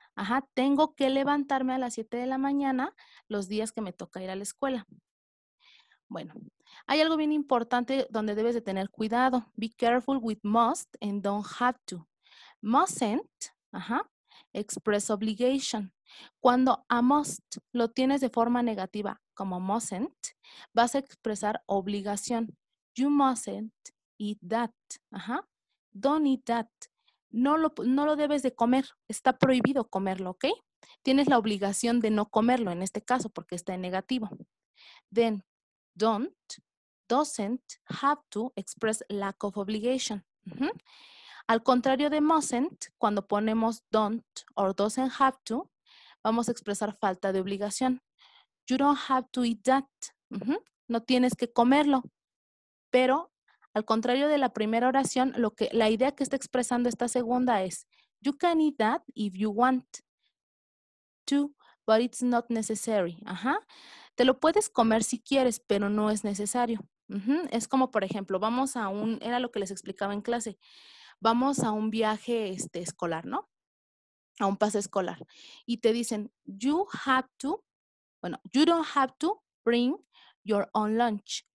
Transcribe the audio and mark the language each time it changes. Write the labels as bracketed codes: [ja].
[es] Ajá, tengo que levantarme a las 7 de la mañana los días que me toca ir a la escuela. Bueno, hay algo bien importante donde debes de tener cuidado. [en] Be careful with must and don't have to. Mustn't, ajá, express obligation. [es] Cuando a must lo tienes de forma negativa como mustn't, vas a expresar obligación. [en] You mustn't eat that, ajá. Don't eat that. [es] No lo debes de comer. Está prohibido comerlo, ¿ok? Tienes la obligación de no comerlo en este caso porque está en negativo. [en] Then, doesn't have to express lack of obligation. [es] Uh-huh. Al contrario de mustn't, cuando ponemos don't or doesn't have to, vamos a expresar falta de obligación. [en] You don't have to eat that. [es] Uh-huh. No tienes que comerlo, pero al contrario de la primera oración, la idea que está expresando esta segunda es [en] you can eat that if you want to, but it's not necessary. [es] Ajá. Te lo puedes comer si quieres, pero no es necesario. Uh-huh. Es como, por ejemplo, era lo que les explicaba en clase. Vamos a un viaje escolar, ¿no? A un pase escolar. Y te dicen, [en] you don't have to bring your own lunch.